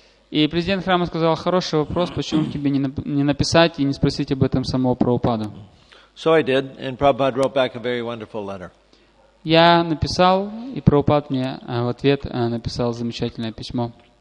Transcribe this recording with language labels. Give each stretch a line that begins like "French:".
Russian: И президент храма сказал, хороший вопрос, почему тебе не написать и не спросить об этом самого Прабхупаду?
English: So I did, and Prabhupada wrote back a very wonderful letter.
Russian: Я написал, и Прабхупад мне в ответ написал замечательное письмо.